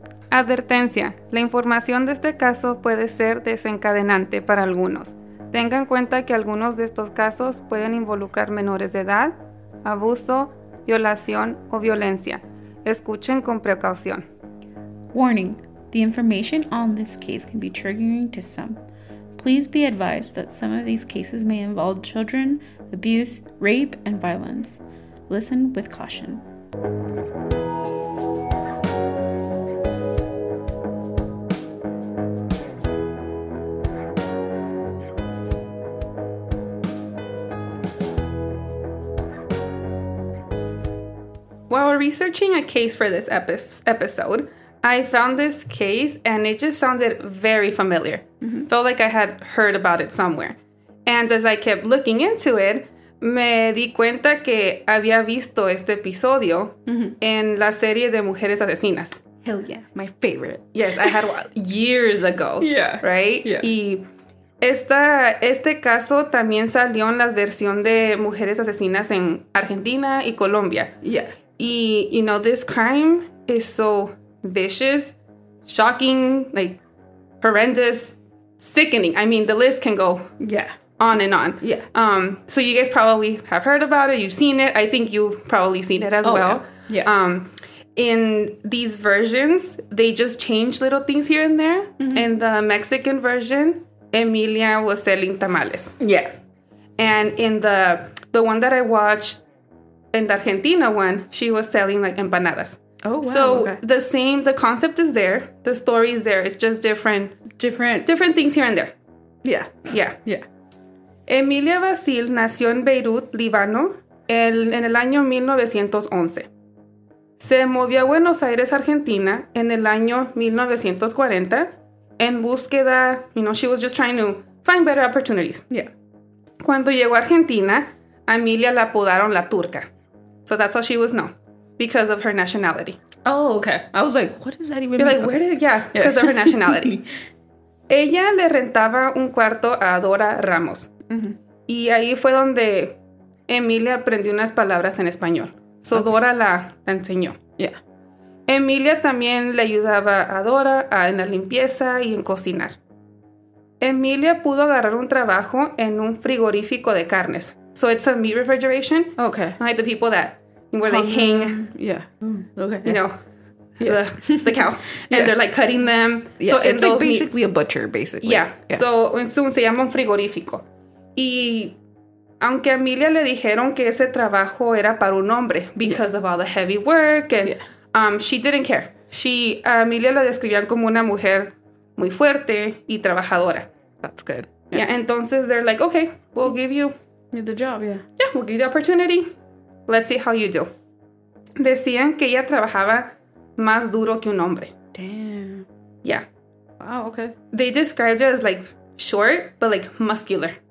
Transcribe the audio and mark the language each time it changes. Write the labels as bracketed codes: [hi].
[es] Advertencia, la información de este caso puede ser desencadenante para algunos. Tenga en cuenta que algunos de estos casos pueden involucrar menores de edad, abuso, violación o violencia. Escuchen con precaución. [en] Warning, the information on this case can be triggering to some. Please be advised that some of these cases may involve children, abuse, rape, and violence. Listen with caution. While researching a case for this episode, I found this case and it just sounded very familiar. Mm-hmm. Felt like I had heard about it somewhere. [es] And as I kept looking into it, me di cuenta que había visto este episodio en la serie de Mujeres Asesinas. [en] Hell yeah, my favorite. Yes, I had years ago. Yeah. Right? Yeah. [es] Y este caso también salió en la versión de Mujeres Asesinas en Argentina y Colombia. [en] Yeah. Y, you know, this crime is so vicious, shocking, like, horrendous, sickening. I mean, the list can go on and on. Yeah. So you guys probably have heard about it. You've seen it. I think you've probably seen it as well. Yeah. Yeah. In these versions, they just change little things here and there. Mm-hmm. In the Mexican version, Emilia was selling tamales. Yeah. And in the one that I watched, in the Argentina one, she was selling, like, empanadas. Oh, wow. So, okay. The concept is there. The story is there. It's just different. Different things here and there. Yeah. Yeah. Yeah. [es] Emilia Basil nació en Beirut, Líbano, en el año 1911. Se movió a Buenos Aires, Argentina, en el año 1940, en búsqueda, you know, she was just trying to find better opportunities. [en] Yeah. [es] Cuando llegó a Argentina, a Emilia la apodaron la turca. [en] So that's how she was known, because of her nationality. Oh, okay. I was like, what does that even mean? You're like, where did, yeah, because of her nationality. [es] Ella le rentaba un cuarto a Dora Ramos. Mm-hmm. Y ahí fue donde Emilia aprendió unas palabras en español. So okay. Dora la enseñó. [en] Yeah. [es] Emilia también le ayudaba a Dora en la limpieza y en cocinar. Emilia pudo agarrar un trabajo en un frigorífico de carnes. [en] So it's a meat refrigeration. Okay. Like the people that, where they hang. Yeah. Okay. You know, the cow, and they're like cutting them. Yeah, so it's like basically a butcher, basically. [es] Yeah. So se llama un frigorífico. Y aunque a Emilia le dijeron que ese trabajo era para un hombre because of all the heavy work, and she didn't care. A Emilia la describían como una mujer muy fuerte y trabajadora. [en] That's good. Yeah. Entonces they're like, okay, we'll give you the job. Yeah. Yeah, we'll give you the opportunity. Let's see how you do. [es] Decían que ella trabajaba más duro que un hombre. [en] Damn. Yeah. Wow, okay. They described her as, like, short, but, like, muscular.